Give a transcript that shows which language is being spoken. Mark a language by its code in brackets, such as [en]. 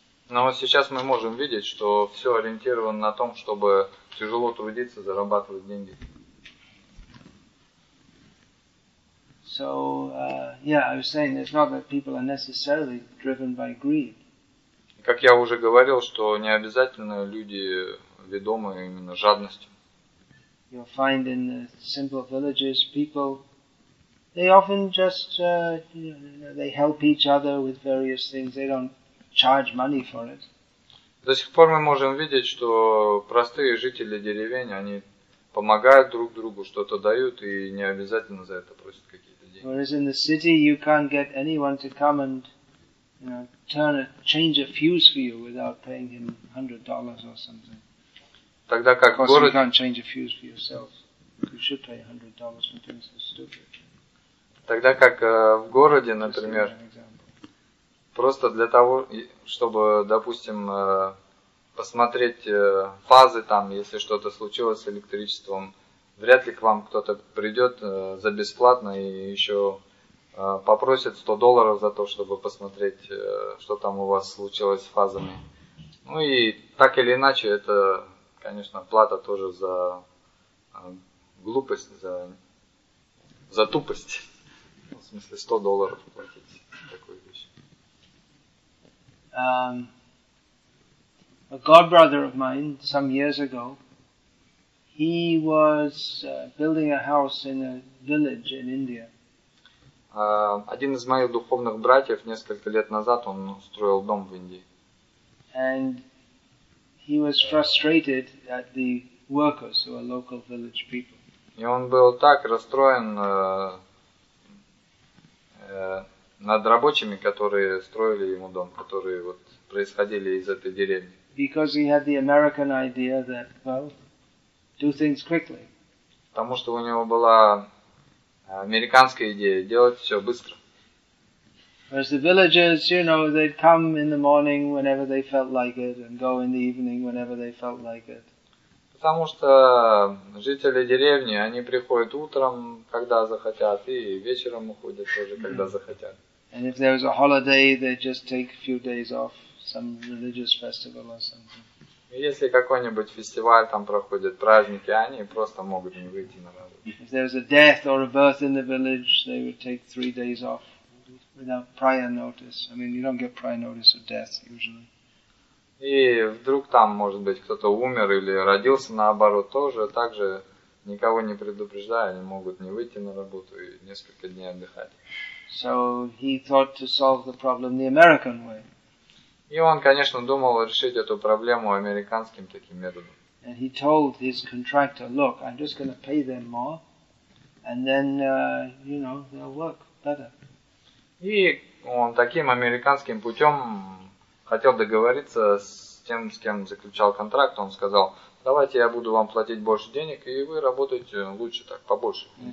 [ru] Но сейчас мы можем видеть, что все ориентировано на том, чтобы тяжело трудиться, зарабатывать деньги. [en] So, yeah, I was saying it's not that people are necessarily driven by greed. [ru] Как я уже говорил, что не обязательно люди ведомы именно жадностью. [en] You'll find in the simple villages people, they often just, they help each other with various things. They don't charge money for it. [ru] До сих пор мы можем видеть, что простые жители деревень, они помогают друг другу, что-то дают и не обязательно за это просят какие-то деньги. [en] Whereas in the city you can't get anyone to come and, you know, turn a change a fuse for you without paying him $100 or something. [ru] Тогда как в городе... [en] You can't change a fuse for yourself. You should pay $100 for things that are stupid. [ru] Тогда как в городе, например, просто для того, чтобы, допустим, посмотреть фазы там, если что-то случилось с электричеством, вряд ли к вам кто-то придет за бесплатно и еще попросит $100 за то, чтобы посмотреть, что там у вас случилось с фазами. Ну и так или иначе, это, конечно, плата тоже за глупость, за тупость. В смысле, $100 платить такую вещь. [en] A godbrother of mine, some years ago, he was building a house in a village in India. [ru] Один из моих духовных братьев несколько лет назад он строил дом в Индии. [en] And he was frustrated at the workers who are local village people. [ru] И он был так расстроен над рабочими, которые строили ему дом, которые вот происходили из этой деревни. [en] Because he had the American idea that, well, do things quickly. [ru] Потому что у него была американская идея делать все быстро. [en] Whereas the villagers, you know, they'd come in the morning whenever they felt like it and go in the evening whenever they felt like it. [ru] Потому что жители деревни, они приходят утром, когда захотят, и вечером уходят тоже, когда захотят. [en] And if there was a holiday, they'd just take a few days off, some religious festival or something. [ru] Если какой-нибудь фестиваль там проходит, праздники, они просто могут не выйти на работу. [en] If there was a death or a birth in the village, they would take 3 days off without prior notice. I mean, you don't get prior notice of death usually. [ru] И вдруг там, может быть, кто-то умер или родился, наоборот, тоже так же, никого не предупреждая, они могут не выйти на работу и несколько дней отдыхать. [en] So he thought to solve the problem the American way. [ru] И он, конечно, думал решить эту проблему американским таким методом. [en] And he told his contractor, look, I'm just going to pay them more, and then, you know, they'll work better. [ru] И он таким американским путем хотел договориться с кем заключал контракт, он сказал, давайте я буду вам платить больше денег, и вы работаете лучше так, побольше.